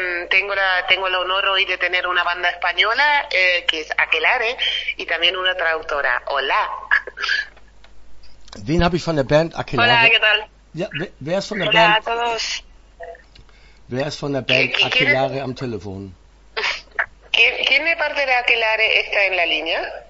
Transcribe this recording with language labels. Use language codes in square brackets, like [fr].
[es] Tengo el honor hoy de tener una banda española que es Akelare y también una traductora. Hola. [de] Wen habe ich von der Band Akelare? [es] Hola, ¿qué tal? [de] Ja, wer ist von der [es] Hola [de] Band? [es] Hola a todos. [de] Wer ist von der Band Akelare am Telefon? [es] ¿Quién de parte de Akelare está en la línea?